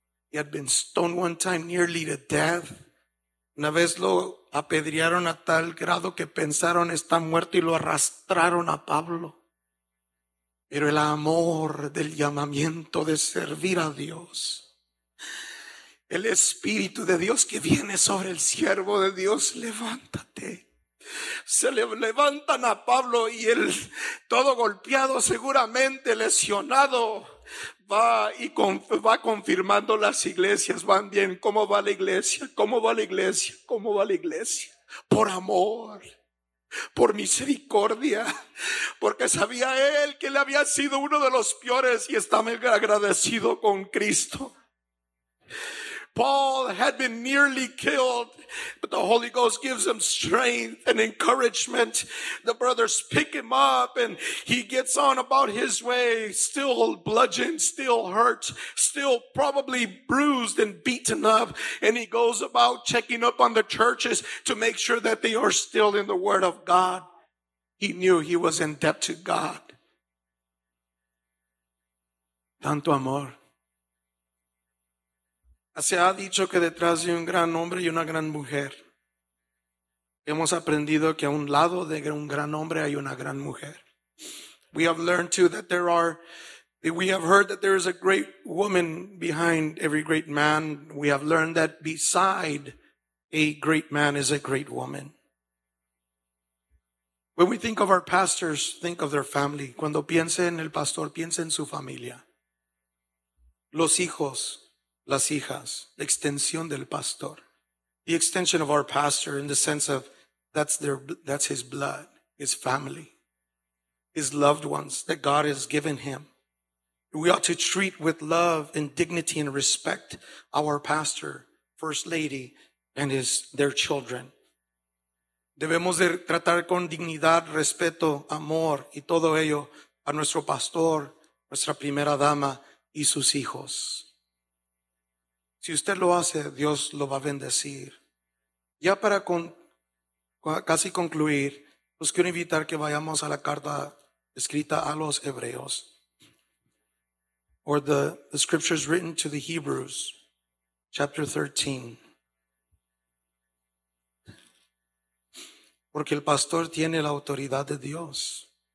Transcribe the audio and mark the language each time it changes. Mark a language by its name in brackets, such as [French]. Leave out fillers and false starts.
[English] He had been stoned one time nearly to death. [Spanish] Una vez lo apedrearon a tal grado que pensaron está muerto y lo arrastraron a Pablo. Pero el amor del llamamiento de servir a Dios. El Espíritu de Dios que viene sobre el siervo de Dios, levántate. Se levantan a Pablo y él, todo golpeado, seguramente lesionado, va confirmando las iglesias. Van bien, ¿cómo va la iglesia? ¿Cómo va la iglesia? ¿Cómo va la iglesia? Por amor. Por misericordia, porque sabía él que le había sido uno de los peores y estaba agradecido con Cristo. [English] Paul had been nearly killed, but the Holy Ghost gives him strength and encouragement. The brothers pick him up and he gets on about his way, still bludgeoned, still hurt, still probably bruised and beaten up. And he goes about checking up on the churches to make sure that they are still in the Word of God. He knew he was in debt to God. [Spanish] Tanto amor. Se ha dicho que detrás de un gran hombre y una gran mujer. Hemos aprendido que a un lado de un gran hombre hay una gran mujer. [English] We have learned too that we have heard that there is a great woman behind every great man. We have learned that beside a great man is a great woman. When we think of our pastors, think of their family. [Spanish] Cuando piense en el pastor, piense en su familia. Los hijos. Las hijas, la extensión del pastor. [English] The extension of our pastor in the sense of that's his blood, his family, his loved ones that God has given him. We ought to treat with love and dignity and respect our pastor, first lady, and their children. [Spanish] Debemos de tratar con dignidad, respeto, amor y todo ello a nuestro pastor, nuestra primera dama y sus hijos. Si usted lo hace, Dios lo va a bendecir. Ya para casi concluir, los quiero invitar que vayamos a la carta escrita a los hebreos. [English] Or the scriptures written to the Hebrews, chapter 13. [Spanish] Porque el pastor tiene la autoridad de Dios.